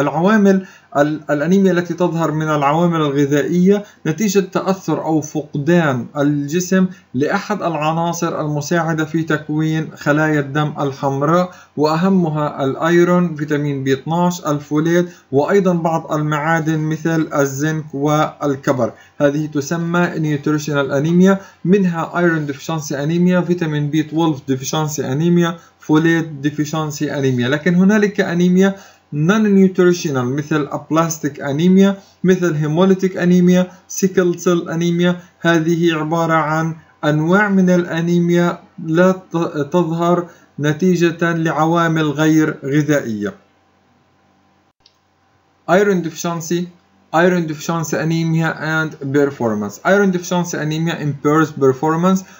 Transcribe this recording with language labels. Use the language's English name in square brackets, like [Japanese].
[Arabic] العوامل الأنيميا التي تظهر من العوامل الغذائية نتيجة تأثر أو فقدان الجسم لأحد العناصر المساعدة في تكوين خلايا الدم الحمراء وأهمها الأيرون، فيتامين بي 12، الفوليت وأيضا بعض المعادن مثل الزنك والكبر. هذه تسمى نيوتريشنال أنيميا، منها أيرون ديفيشنسي أنيميا، فيتامين بي 12 ديفيشنسي أنيميا، فوليت ديفيشنسي أنيميا. [English] لكن هنالك anemia non-nutritional مثل aplastic anemia مثل hemolytic anemia sickle cell anemia. [Arabic] هذه عبارة عن أنواع من الأنيميا لا تظهر نتيجة لعوامل غير غذائية. [English] Iron deficiency, iron deficiency anemia and performance. Iron deficiency anemia impairs performance